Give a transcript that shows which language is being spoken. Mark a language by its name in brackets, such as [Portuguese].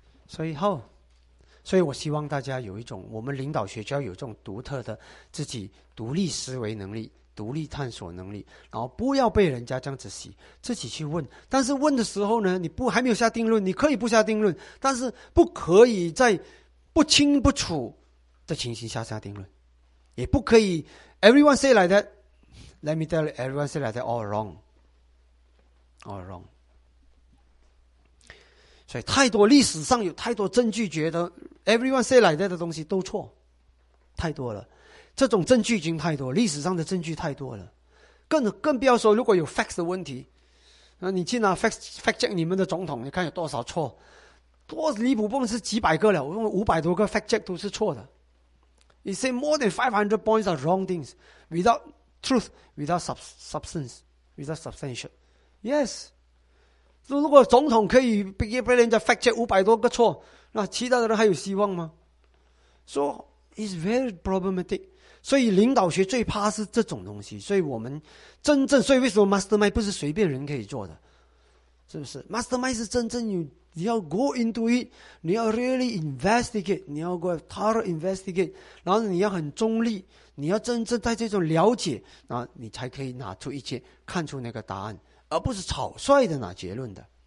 [Chinese] 所以我希望大家有一种，我们领导学校有一种独特的自己独立思维能力，独立探索能力，然后不要被人家这样子洗，自己去问。但是问的时候呢，你不还没有下定论，你可以不下定论，但是不可以在不清不楚的情形下下定论，也不可以 [English] Everyone say like that. Let me tell you, everyone say like that all wrong. All wrong. [Chinese] 所以太多历史上有太多证据觉得 [English] everyone say like that [Chinese] 的东西都错，太多了。这种证据已经太多，历史上的证据太多了。更不要说如果有 facts 的问题，那你去拿 fact check 你们的总统，你看有多少错，多离谱，不是几百个了，我用500多个 fact check 都是错的。 [English] He said more than 500 points are wrong things, without truth, without substance, without substantial. Yes. [Chinese] So, 如果总统可以被人家 fact check 500多个错，那其他的人还有希望吗？ [English] So, it's very problematic. [Chinese] 所以领导学最怕是这种东西。所以我们真正，所以为什么 mastermind 不是随便人可以做的？是不是？ Mastermind 是真正有你要 [English] go into it， [Chinese] 你要 [English] really investigate， [Chinese] 你要 [English] go thorough investigate， [Chinese] 然后你要很中立，你要真正在这种了解，然后你才可以拿出一些看出那个答案，而不是草率的拿结论的。